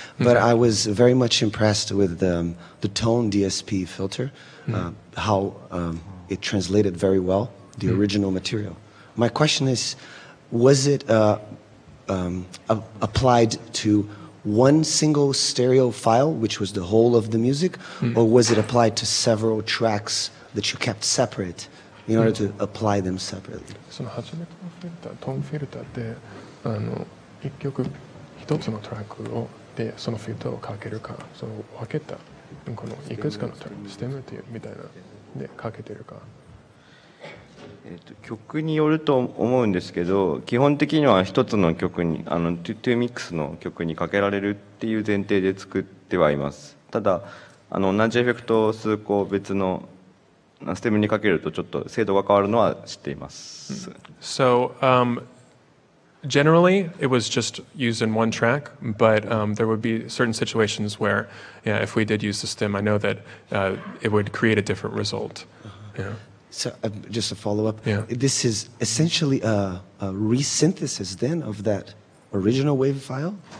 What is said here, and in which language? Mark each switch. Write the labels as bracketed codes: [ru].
[en] But I was very much impressed with the tone DSP filter, how it translated very well the original material. My question is, was it applied to one single stereo file, which was the whole of the music, or was it applied to several tracks that you kept separate in order to apply them separately? [ja] その初めてのフィルター、トーンフィルターで、一曲一つのトラックをでそのフィルターをかけるか、その分けたこのいくつかのトラック、ステムというみたいなでかけてるか。曲によると思うんですけど、基本的には一つの曲に、トゥミックスの曲にかけられるっていう前提で作ってはいます。ただ同じエフェクトを数個別のステムにかけるとちょっと精度が変わるのは知っています。 [en] So generally it was just used in one track, but there would be certain situations where, yeah, if we did use the stem, I know that it would create a different result. Yeah. So, just a follow-up. Yeah. This is essentially a resynthesis then of that original wave file?